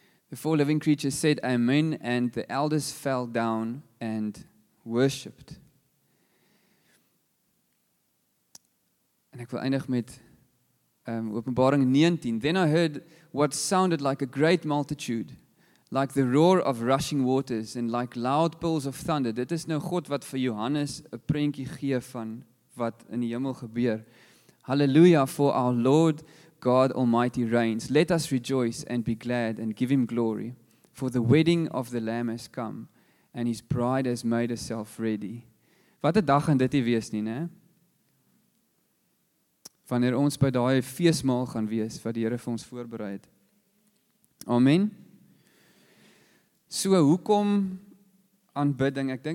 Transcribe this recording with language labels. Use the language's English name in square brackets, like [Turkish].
[English] The four living creatures said, "Amen," and the elders fell down and worshipped. [Afrikaans] En ek wil eindig met Openbaring 19. [English] "Then I heard what sounded like a great multitude, like the roar of rushing waters and like loud peals of thunder." [Afrikaans] Dit is nou God wat vir Johannes 'n prentjie gee van wat in die hemel gebeur. [English] "Hallelujah, for our Lord God Almighty reigns. Let us rejoice and be glad and give Him glory. For the wedding of the Lamb has come and His bride has made herself ready." [Afrikaans] Wat 'n dag gaan dit nie wees nie, né? Wanneer ons by daai feestmaal gaan wees wat die Here vir ons voorberei het. Amen. So, hoekom aanbidding?